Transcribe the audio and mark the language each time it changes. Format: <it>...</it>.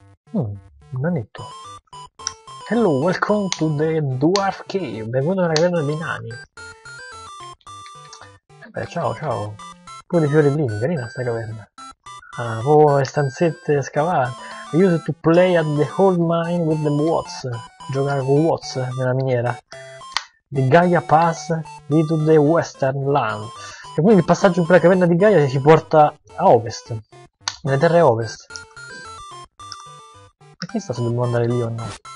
<it>Un nanetto.</it> <en>Hello, welcome to the Dwarf Cave.</en> <it>Benvenuto nella caverna dei nani. Beh, ciao, ciao. Pure i fiori blini, carina sta caverna. Ah, oh, le stanzette scavate.</it> <en>I used to play at the old mine with the Watts.</en> <it>Giocare con Watts nella miniera.</it> <en>The Gaia Pass lead to the Western Land.</en> <it>E quindi il passaggio per la caverna di Gaia ci porta a ovest, nelle terre ovest. E chissà se dobbiamo andare lì o no.</it>